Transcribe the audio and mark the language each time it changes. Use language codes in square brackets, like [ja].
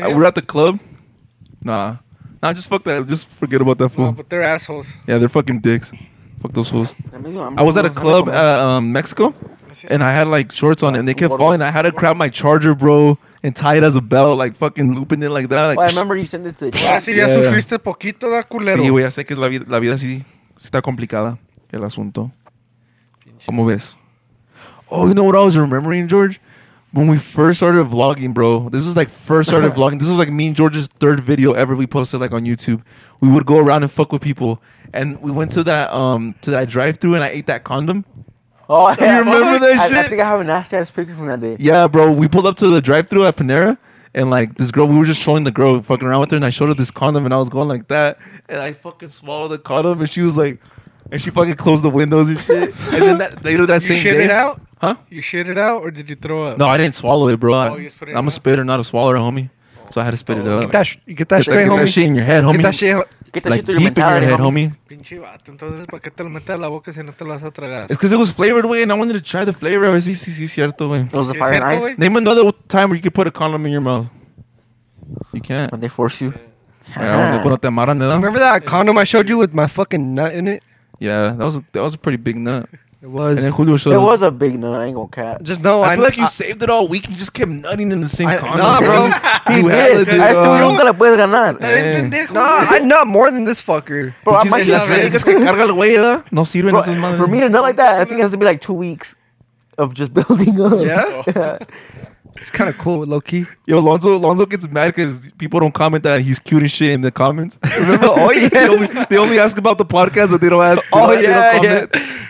[en] Yeah. We're at the club. Nah, just fuck that. Just forget about that fool. No, but they're assholes. Yeah, they're fucking dicks. Fuck those fools. I was at a club at Mexico, and I had, like, shorts on, and they kept falling. I had to grab my charger, bro. And tie it as a belt, like fucking looping it like that. Like, well, I remember you sent it to the chat. [es] Ah, sí, ya sufriste poquito, da culero. Sí, güey, ya sé que la vida sí está complicada, el asunto. Pinche. ¿Cómo ves? [en] Oh, you know what I was remembering, George? When we first started vlogging, bro. This was like first started vlogging. This was like me and George's third video ever we posted like on YouTube. We would go around and fuck with people. And we went to that drive-thru and I ate that condom. Oh, yeah. You remember that shit? I think I have a nasty ass picture from that day. Yeah, bro. We pulled up to the drive-thru at Panera, and like this girl, we were just showing the girl fucking around with her, and I showed her this condom, and I was going like that, and I fucking swallowed the condom, and she was like, and she fucking closed the windows and shit. And then that, later that you same shit day. You shit it out? Huh? You shit it out, or did you throw up? No, I didn't swallow it, bro. Oh, you just put it I'm out? A spitter, not a swallower, homie. So I had to spit it out. Get that shit in your head, homie. Get that shit out. Like deep in your head, homie. [es] Pinche vato. Entonces, ¿para qué te lo metes a la boca si no te lo vas a tragar? [en] It's because it was flavored, way, and I wanted to try the flavor. [es] Sí, sí, sí, cierto, güey. [en] It was a fire and ice? Name another time where you could put a condom in your mouth. You can't. When they force you. Yeah. Remember that condom I showed you with my fucking nut in it? Yeah, that was a pretty big nut. It was. And then Julio showed it was a big nut. I ain't gonna cap. Just know. I feel like you saved it all week and just kept nutting in the same condom. Nah, bro. He did. Nah, I nut more than this fucker. Bro, I might just [es] carga el güey, ¿verdad? No sirven esas madres. [en] For me to nut like that, I think it has to be like 2 weeks. of just building up. Yeah. Yeah. It's kind of cool, low key. Yo, Lonzo gets mad because people don't comment that he's cute and shit in the comments. Remember? Oh yeah. They only ask about the podcast, but they don't ask. Oh yeah, comment. Yeah.